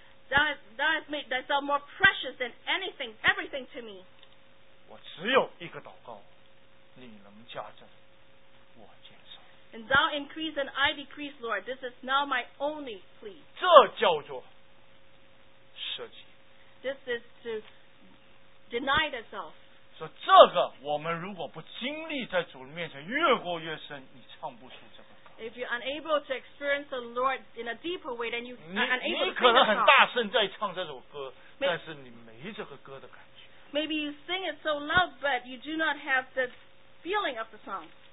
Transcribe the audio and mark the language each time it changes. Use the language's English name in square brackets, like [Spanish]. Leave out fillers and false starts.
[English] That has made thyself more precious than anything, everything to me. [Chinese] 我只有一个祷告，你能加增，我减少。 [English] And thou increase and I decrease, Lord. This is now my only plea. [Chinese] 这叫做舍己。 [English] This is to deny thyself. [Chinese] 说这个，我们如果不经历在主面前越过越深，你唱不出这个。 [English] If you're unable to experience the Lord in a deeper way, then you're unable to sing the song. [Chinese] 你可能很大声在唱这首歌，但是你没这个歌的感觉。 [English] Maybe you sing it so loud, but you do not have the feeling of the song.